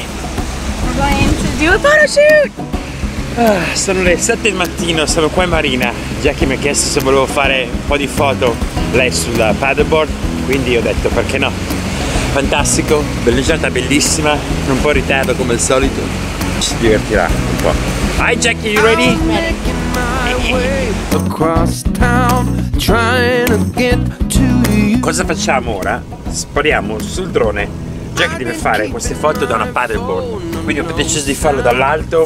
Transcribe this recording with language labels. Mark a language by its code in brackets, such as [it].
[en] We're going to do a photo shoot! [it] Sono le 7 del mattino, sono qua in marina. Jackie mi ha chiesto se volevo fare un po' di foto lei sul paddleboard, quindi ho detto perché no. Fantastico, belleggiata bellissima, un po' in ritardo come al solito. Ci si divertirà un po'. [en] Hi Jackie, you ready? Across town, trying to get to you. [it] Cosa facciamo ora? Spariamo sul drone. Jackie deve fare queste foto da una paddleboard, quindi ho deciso di farlo dall'alto.